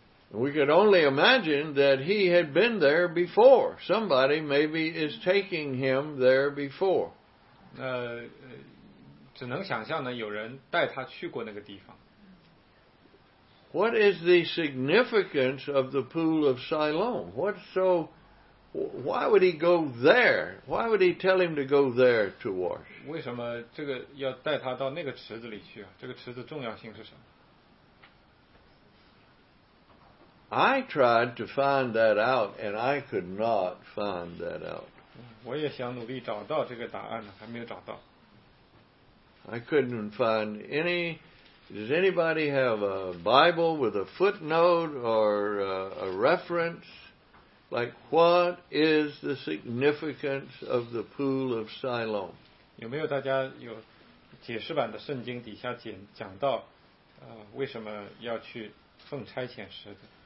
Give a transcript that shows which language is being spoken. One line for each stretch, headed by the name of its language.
English: ？We could only imagine that he had been there before. Somebody maybe is taking him there before.
Chinese: 那只能想象呢，有人带他去过那个地方。
English: What is the significance of the pool of Siloam? Why would he go there? Why would he tell him to go there to wash?
Chinese: 为什么这个要带他到那个池子里去啊？这个池子重要性是什么？
English: I tried to find that out, and I could not find that out.
Chinese: 我也想努力找到这个答案呢，还没有找到。
English: I couldn't find any. Does anybody have a Bible with a footnote or a reference? Like, what is the significance of the pool of Siloam?
Chinese: 有没有大家有解释版的圣经底下讲到，为什么要去奉差遣使的？